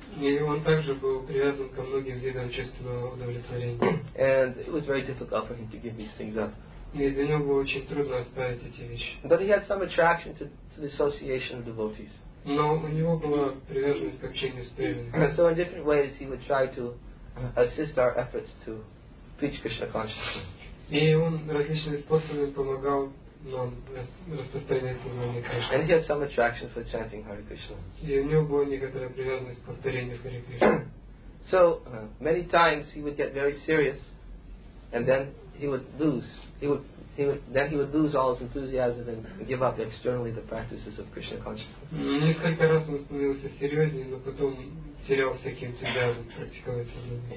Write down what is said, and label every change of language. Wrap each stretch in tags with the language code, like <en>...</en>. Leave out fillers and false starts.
<ru>И он также был привязан ко многим видам чувственного удовлетворения.</ru> <en>And it was very difficult for him to give these things up.</en> <ru>И для него было очень трудно оставить эти вещи.</ru> <en>But he had some attraction to the association of devotees.</en> <ru>Но у него была привязанность к общению с преданными.</ru> <en>So in different ways he would try to assist our efforts to preach Krishna consciousness.</en> <ru>И он различными способами помогал нам распространять сознание Кришны.</ru> <en>And he had some attraction for chanting Hare Krishna.</en> <ru>И у него была некоторая привязанность к повторению Hare Krishna.</ru> <en>So many times he would get very serious, and then he would lose all his enthusiasm and give up externally the practices of Krishna consciousness.</en> <ru>Несколько раз он становился серьезнее, но потом терял всякий энтузиазм практиковать сознание.</ru>